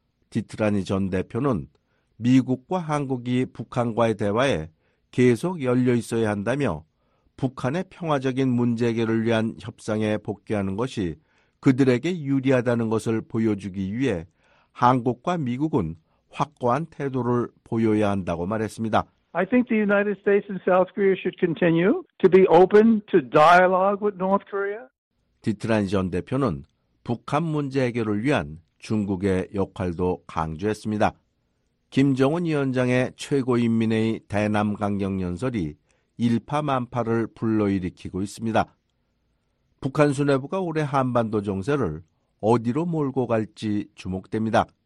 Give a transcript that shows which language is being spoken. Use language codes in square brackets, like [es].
[ko] 디트라니 전 대표는 미국과 한국이 북한과의 대화에 계속 열려 있어야 한다며 북한의 평화적인 문제 해결을 위한 협상에 복귀하는 것이 그들에게 유리하다는 것을 보여주기 위해 한국과 미국은 확고한 태도를 보여야 한다고 말했습니다. [en] I think the United States and South Korea should continue to be open to dialogue with North Korea. [ko] 디트라니 전 대표는 북한 문제 해결을 위한 중국의 역할도 강조했습니다. 김정은 위원장의 최고인민회의 대남 강경 연설이 일파만파를 불러일으키고 있습니다. 북한 수뇌부가 올해 한반도 정세를 어디로 몰고 갈지 주목됩니다.